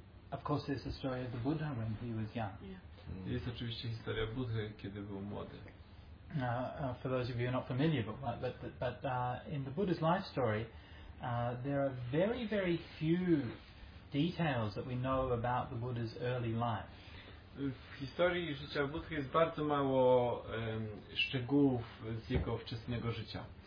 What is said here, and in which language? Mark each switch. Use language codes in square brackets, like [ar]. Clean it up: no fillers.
[en] Of course there's the story of the Buddha when he was young. Yeah. [pl] Jest oczywiście historia Buddy, kiedy był młody. [en] For those of you who are not familiar, but in the Buddha's life story, there are very, very few details that we know about the Buddha's early life. [pl] W historii życia Buddy jest bardzo mało szczegółów z jego wczesnego życia.